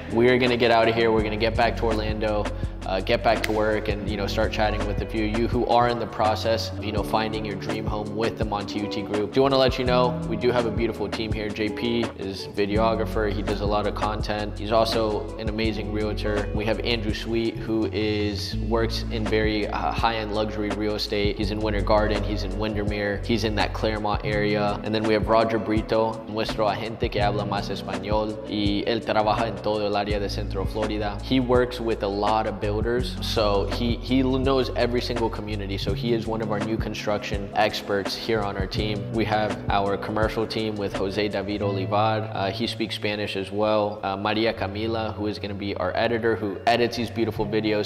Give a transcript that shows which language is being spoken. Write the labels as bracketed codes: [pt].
[en] We are gonna get out of here. We're gonna get back to Orlando. Get back to work and, you know, start chatting with a few of you who are in the process of, you know, finding your dream home with the Montaiuti group. Do want to let you know, we do have a beautiful team here. JP is videographer. He does a lot of content. He's also an amazing realtor. We have Andrew Sweet, who works in very high-end luxury real estate. He's in Winter Garden. He's in Windermere. He's in that Claremont area. And then we have Roger Brito, [es] nuestro agente que habla más español. Y él trabaja en todo el área de Centro Florida. [en] He works with a lot of builders, so he knows every single community. So he is one of our new construction experts here on our team. We have our commercial team with Jose David Olivar. He speaks Spanish as well. Maria Camila, who is going to be our editor, who edits these beautiful videos.